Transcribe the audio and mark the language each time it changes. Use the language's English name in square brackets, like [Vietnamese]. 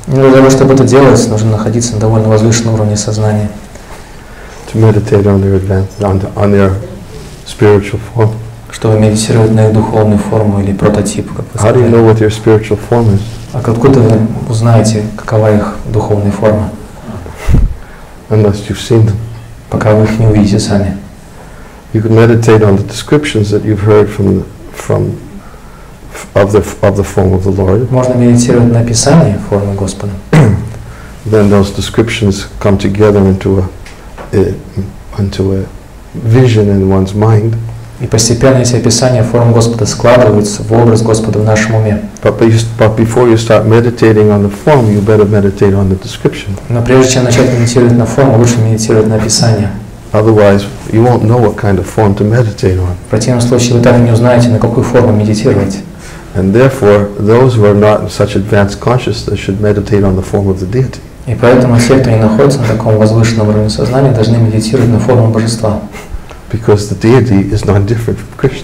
[Russian] Для того, чтобы это делать, нужно находиться на довольно возвышенном уровне сознания. [English] To meditate on their advanced, on their spiritual form. [Russian] Чтобы медитировать на их духовную форму или прототип, как вы сказали. [English] How do you know what your spiritual form is? [Russian] А откуда вы узнаете, какова их духовная форма? [English] Unless you've seen them. [Russian] Пока вы их не увидите сами. [English] You can meditate on the descriptions that you've heard from the form of the Lord. [Russian] Можно медитировать на описании формы Господа. [English] Then those descriptions come together into a vision in one's mind. [Russian] И постепенно эти описания форм Господа складываются в образ Господа в нашем уме. [English] But before you start meditating on the form, you better meditate on the description. [Russian] Но прежде чем начать медитировать на форму, лучше медитировать на описание. [English] Otherwise, you won't know what kind of form to meditate on. [Russian] В противном случае вы так и не узнаете, на какую форму медитировать. [English] And therefore, those who are not in such advanced consciousness should meditate on the form of the deity. [Russian] И поэтому все, кто не находится на таком возвышенном уровне сознания, должны медитировать на форму Божества. [English] Because the deity is not different from Krishna.